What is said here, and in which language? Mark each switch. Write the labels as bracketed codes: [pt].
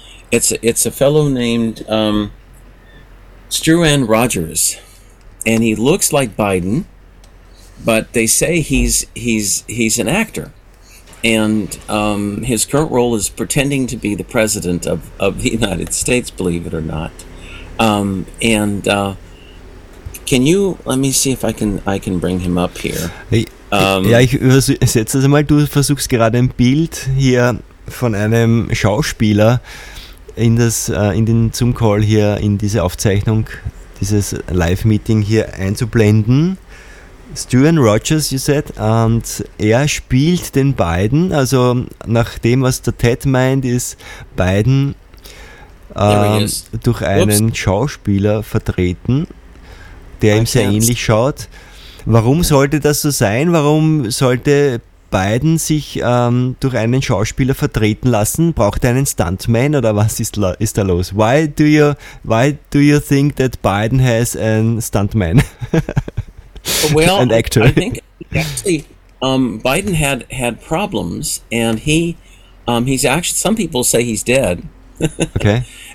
[en] It's a fellow named Struan Rogers, and he looks like Biden, but they say he's an actor, and his current role is pretending to be the president of the United States, believe it or not. Can you, let me see if I can bring him up here. [de] Ja, ich übersetze es einmal. Du versuchst gerade ein Bild hier von einem Schauspieler in den Zoom-Call hier, in diese Aufzeichnung, dieses Live-Meeting hier einzublenden. Struan Rogers, [en] you said, [de] und er spielt den Biden, also nach dem, was der Ted meint, ist Biden durch einen Schauspieler vertreten, der ihm sehr ähnlich schaut. Warum sollte das so sein? Warum sollte Biden sich durch einen Schauspieler vertreten lassen? Braucht er einen Stuntman oder was ist da los? [en] Why do you think that Biden has a stuntman? Well, an actor. I think actually Biden had problems, and he's actually, some people say he's dead. Okay.